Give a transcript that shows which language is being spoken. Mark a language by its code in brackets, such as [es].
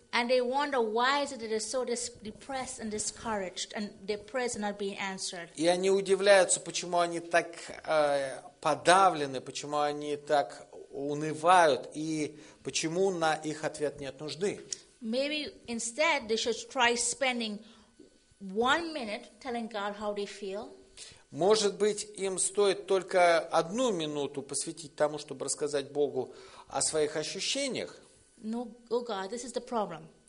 [en] And they wonder why is it that they're so depressed and discouraged, and their prayers are not being answered. [ru] И они удивляются, почему они так подавлены, почему они так унывают, и почему на их ответ нет нужды. [en] Maybe instead they should try spending 1 minute telling God how they feel. [ru] Может быть, им стоит только 1 минуту посвятить тому, чтобы рассказать Богу о своих ощущениях. [en] No, oh God, this is the problem.